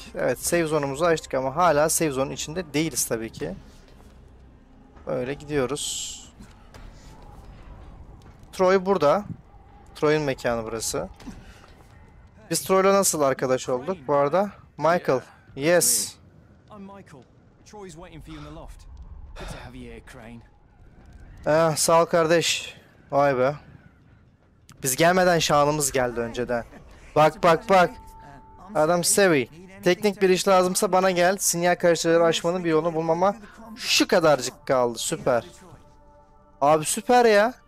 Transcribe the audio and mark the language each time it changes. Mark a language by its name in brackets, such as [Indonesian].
[Turkish] Evet, save zone'umuzu açtık ama hala save zone içinde değiliz tabii ki. Böyle gidiyoruz. Troy burada. Troy'un mekanı burası. Biz Troy'la nasıl arkadaş olduk bu arada? [English] Michael. Yes. I'm Michael. Troy's waiting for you in the loft. Good to have you here, Crane. [Turkish] Sağ ol kardeş. Vay be. Biz gelmeden şanımız geldi önceden. Bak bak bak. Adam Sevi, teknik bir iş lazımsa bana gel. Sinyal karıştırıcıları açmanın bir yolunu bulmama şu kadarcık kaldı. Süper. Abi süper ya.